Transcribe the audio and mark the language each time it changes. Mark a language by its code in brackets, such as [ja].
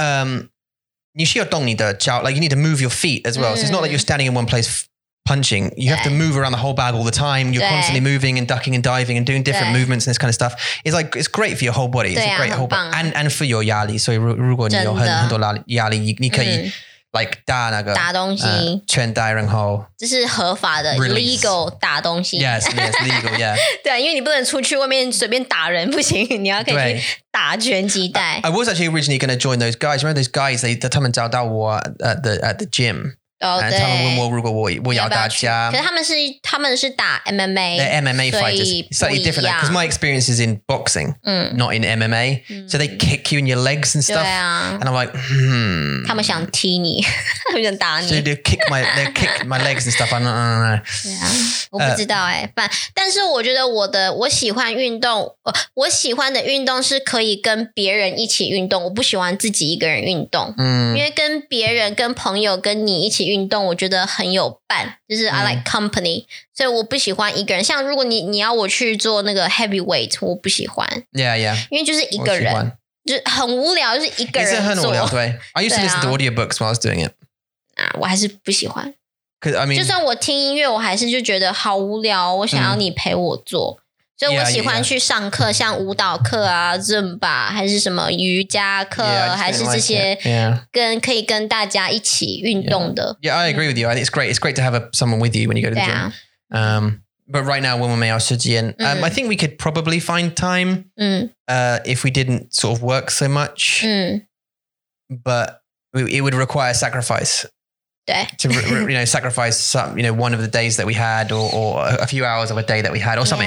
[zh] 全集带。你需要动你的脚, [en] like you need to move your feet as well. So it's not like you're standing in one place punching. You have to move around the whole bag all the time. You're constantly moving and ducking and diving and doing different movements and this kind of stuff. It's like, it's great for your whole body. It's a great whole body. And for your [zh] 压力.So 如果你有很多压力, 你可以 like 打那个圈带然后这是合法的 [en] legal [zh] 打东西 [en] yes yes legal yeah [zh] 对啊因为你不能出去外面随便打人不行你要可以去打拳击带 [en] I was actually originally going to join those guys remember those guys they [zh] 他们找到我 [en] at the gym [zh] 哦对他们问我如果我要打架可是他们是打 [en] MMA they're MMA fighters slightly different because like, my experience is in boxing not in MMA so they kick you in your legs and stuff [zh] 对啊 [en] and I'm like [zh] 他们想踢你 他们想打你 [en] so they kick my legs and stuff I'm like no. [zh] yeah 我不知道耶 但是我觉得我的 我喜欢的运动是可以跟别人一起运动 我不喜欢自己一个人运动 因为跟别人跟朋友跟你一起 运动我觉得很有伴 就是 [en] I like company [zh] 所以我不喜欢一个人 像如果你要我去做那个 heavyweight 我不喜欢 [en] Yeah yeah [zh] 因为就是一个人 就很无聊 就是一个人做也是很无聊 对 [en] I used to listen to audiobooks while I was doing it [zh] 我还是不喜欢 [en] Cause, I mean, [zh] 就算我听音乐 我还是就觉得好无聊 我想要你陪我做 所以我喜欢去上课 像舞蹈课啊 Zumba 还是什么瑜伽课 还是这些跟可以跟大家一起运动的 [en] Yeah, I agree with you. I think it's great. It's great to have someone with you when you go to the gym. But right now, [zh] 我们没有时间 [en] I think we could probably find time if we didn't sort of work so much. But it would require sacrifice. To you know, sacrifice some, you know, one of the days that we had, or a few hours of a day that we had, or something.